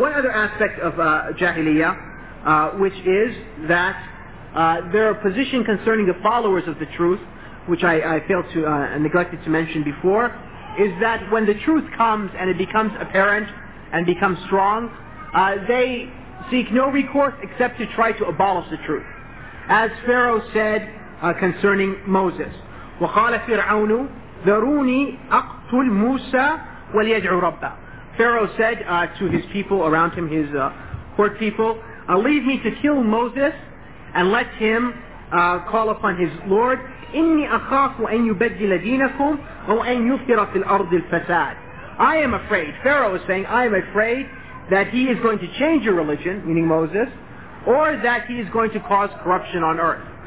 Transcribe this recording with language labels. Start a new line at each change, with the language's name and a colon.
English: One other aspect of Jahiliyyah, which is that their position concerning the followers of the truth, which I failed to neglected to mention before, is that when the truth comes and it becomes apparent and becomes strong, they seek no recourse except to try to abolish the truth. As Pharaoh said concerning Moses,
Arabic: وَقَالَ فِرْعَوْنُ ذَرُونِي أَقْتُلْ مُوسَى وَلْيَدْعُ رَبَّهُ.
English: Pharaoh said to his people around him, his court people, leave me to kill Moses and let him call upon his Lord.
Arabic: إِنِّي أَخَافُ أَنْ يُبَدِّلَ دِينَكُمْ أَوْ أَنْ يُثْقِرَ فِي الْأَرْضِ الْفَسَادِ.
English: I am afraid, Pharaoh is saying, I am afraid that he is going to change your religion, meaning Moses, or that he is going to cause corruption on earth.